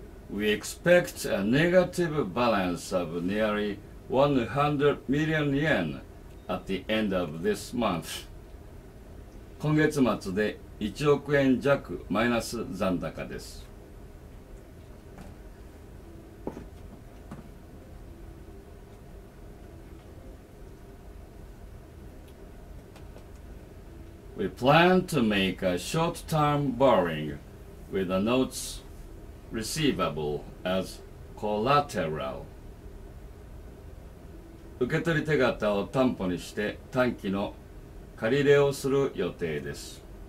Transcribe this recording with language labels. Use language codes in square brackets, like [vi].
[en] we expect a negative balance of nearly 100 million yen at the end of this month. [ja] 今月末で1億円弱マイナス残高です。 [en] We plan to make a short-term borrowing with the notes receivable as collateral. [ja] 受け取り手形を担保にして短期の借り入れをする予定です。